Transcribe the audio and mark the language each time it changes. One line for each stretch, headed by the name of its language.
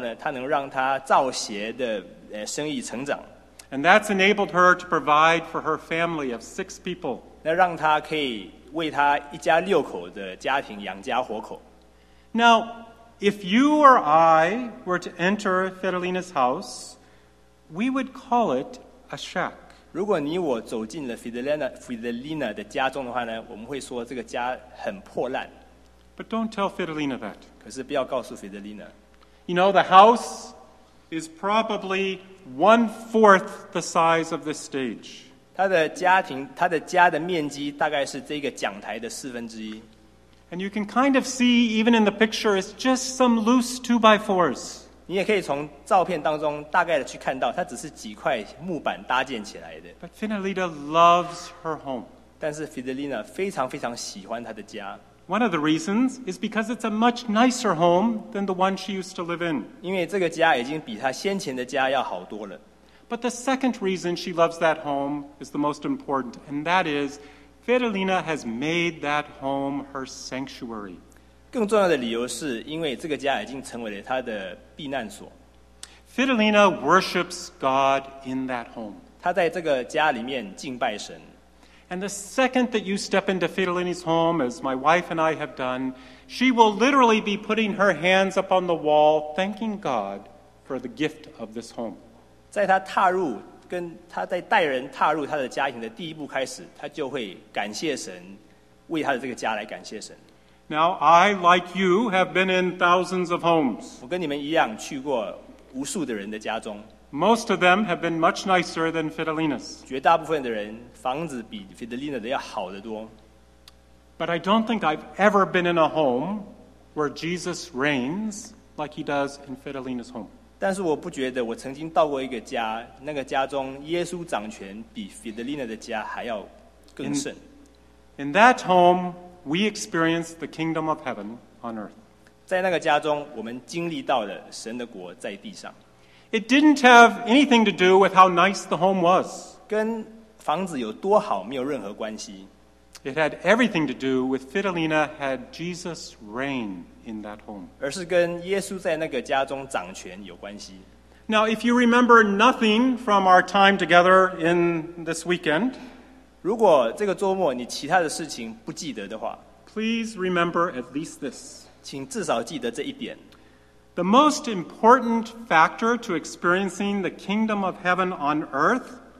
Chinese: 在一些一系列的小额贷款之后呢，她能让她造鞋的生意成长。
English: And that's enabled her to provide for her family of six people.
Chinese: 那让她可以为她一家六口的家庭养家活口。
English: Now, if you or I were to enter Fidelina's house, we would call it a shack.
Chinese: 如果你我走进了 Fidelina 的家中的话呢，我们会说这个家很破烂。
English: But don't tell Fidelina that.
Chinese: 可是不要告诉 Fidelina。
English: You know, the house is probably 1/4 the size of this stage.
Chinese: 他的家的面积大概是这个讲台的四分之一。
English: And you can kind of see, even in the picture, it's just some loose 2x4s.
Chinese: 你也可以从照片当中大概的去看到，它只是几块木板搭建起来的。
English: But Fidelina loves her home.
Chinese: 但是 Fidelina 非常非常喜欢她的家。
English: One of the reasons is because it's a much nicer home than the one she used to live in.
Chinese: 因为这个家已经比她先前的家要好多了。
English: But the second reason she loves that home is the most important, and that is Fidelina has made that home her sanctuary.
Chinese: 更重要的理由是因为这个家已经成为了她的避难所。
English: Fidelina worships God in that home.
Chinese: 她在这个家里面敬拜神。
English: And the second that you step into Fidelina's home, as my wife and I have done, she will literally be putting her hands up on the wall, thanking God for the gift of this home.
Chinese: 在她踏入跟她在带人踏入她的家庭的第一步开始，她就会感谢神，为她的这个家来感谢神。
English: Now, I, like you, have been in thousands of homes.
Chinese: 我跟你们一样去过无数的人的家中。
English: Most of them have been much nicer than Fidelina's.
Chinese: 绝大部分的人房子比 Fidelina 的要好得多。
English: But I don't think I've ever been in a home where Jesus reigns like he does in Fidelina's home.
Chinese: 但是我不觉得我曾经到过一个家，那个家中耶稣掌权比 Fidelina 的家还要更甚。
English: In that home, we experience the kingdom of heaven on earth.
Chinese: 在那个家中，我们经历到了神的国在地上。
English: It didn't have anything to do with how nice the home was.
Chinese: 跟房子有多好没有任何关系。
English: It had everything to do with Fidelina had Jesus reign in that home.
Chinese: 而是跟耶稣在那个家中掌权有关系。
English: Now, if you remember nothing from our time together in this weekend,
Chinese: 如果这个周末你其他的事情不记得的话，
English: please remember at least this.
Chinese: 请至少记得这一点。
English: The most important factor to experiencing the kingdom of heaven on earth,